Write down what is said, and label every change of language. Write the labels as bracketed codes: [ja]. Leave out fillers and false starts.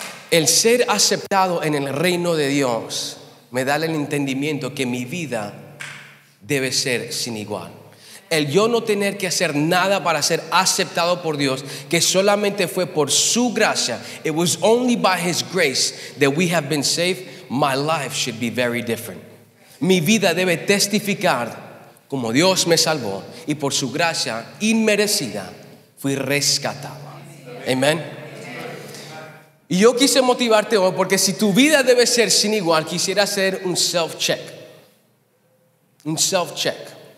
[es] El ser aceptado en el reino de Dios me da el entendimiento que mi vida debe ser sin igual. El yo no tener que hacer nada para ser aceptado por Dios, que solamente fue por su gracia. [en] It was only by his grace that we have been saved. My life should be very different. [es] Mi vida debe testificar como Dios me salvó y por su gracia inmerecida fui rescatado. Amén. Y yo quise motivarte hoy porque si tu vida debe ser sin igual, quisiera hacer un self-check. Un self-check.